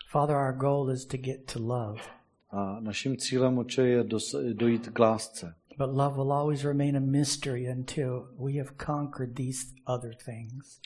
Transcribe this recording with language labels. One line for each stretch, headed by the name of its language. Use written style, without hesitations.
English: Father, our goal is to get to love.
Czech: A naším cílem, Otče, je dojít k lásce.
English: But love will always remain a mystery until we have conquered these other things.